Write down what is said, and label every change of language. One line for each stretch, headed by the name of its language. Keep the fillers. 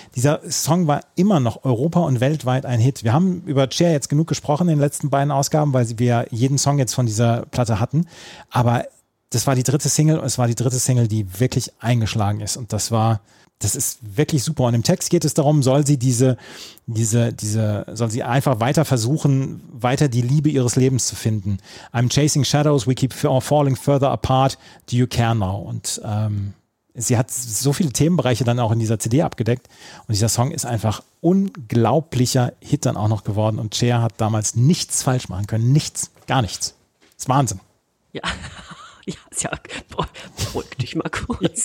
German: Dieser Song war immer noch Europa und weltweit ein Hit. Wir haben über Cher jetzt genug gesprochen in den letzten beiden Ausgaben, weil wir jeden Song jetzt von dieser Platte hatten. Aber das war die dritte Single und es war die dritte Single, die wirklich eingeschlagen ist. Und das war, das ist wirklich super. Und im Text geht es darum, soll sie diese, diese, diese, soll sie einfach weiter versuchen, weiter die Liebe ihres Lebens zu finden.
English: I'm chasing shadows, we keep falling further apart. Do you care now?
German: Und ähm, sie hat so viele Themenbereiche dann auch in dieser CD abgedeckt. Und dieser Song ist einfach unglaublicher Hit dann auch noch geworden. Und Cher hat damals nichts falsch machen können. Nichts, gar nichts. Das ist Wahnsinn. Ja. Ja, ist ja, beruhig dich mal kurz.